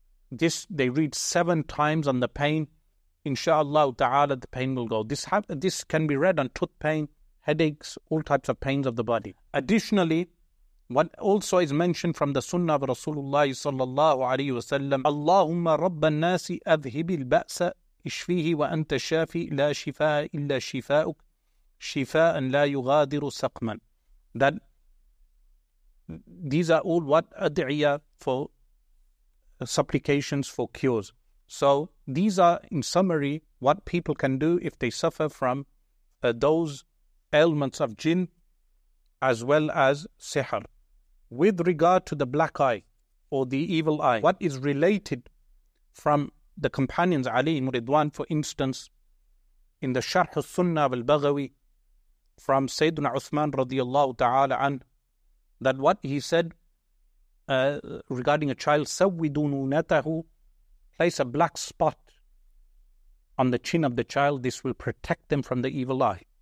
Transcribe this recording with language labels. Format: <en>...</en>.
<en>This they read seven times on the pain. Inshallah ta'ala, the pain will go. This can be read on tooth pain, headaches, all types of pains of the body. Additionally, what also is mentioned from the sunnah of Rasulullah sallallahu alayhi wa sallam,</en> <ar>Allahumma rabban nasi adhibil ba'sa. إشفيه وأنت شافي لا شفاء إلا شفاءك شفاء لا يغادر سقما</ar> <en>That these are all what adiyah for supplications for cures. So these are in summary what people can do if they suffer from those ailments of jinn as well as sihr. With regard to the black eye or the evil eye, what is related from the companions Ali ibn Ridwan, for instance, in the Sharh al-Sunnah of al-Baghawi from Sayyidina Uthman radiallahu ta'ala an, that what he said regarding a child,</en> <ar>سَوِّدُوا نُونَتَهُ</ar> <en>place a black spot on the chin of the child, this will protect them from the evil eye.</en>